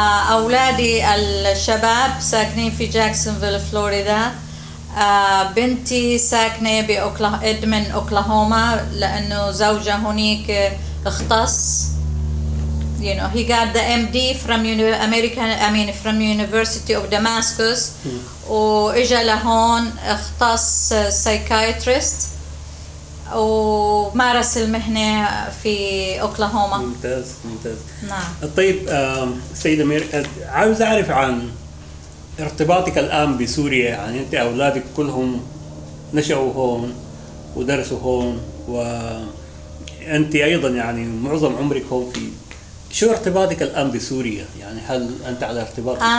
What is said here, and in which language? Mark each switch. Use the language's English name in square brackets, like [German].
[Arabic] أولادي الشباب ساكنين في جاكسونفيل فلوريدا. بنتي ساكنة بإدمن أوكلاهوما لأنه زوجها هناك اختص. [English] You know, he got the MD from from University of Damascus. [Arabic] وإجا لهون اختص psychiatrist. ومارس المهنة في أوكلاهوما. ممتاز ممتاز. نعم. طيب سيدة مير، عاوز أعرف عن ارتباطك الآن بسوريا، يعني أنت أولادك كلهم نشأوا هون ودرسوا هون وأنت أيضا يعني معظم عمرك هون، في شو ارتباطك الآن بسوريا؟ يعني هل أنت على ارتباط بسوريا؟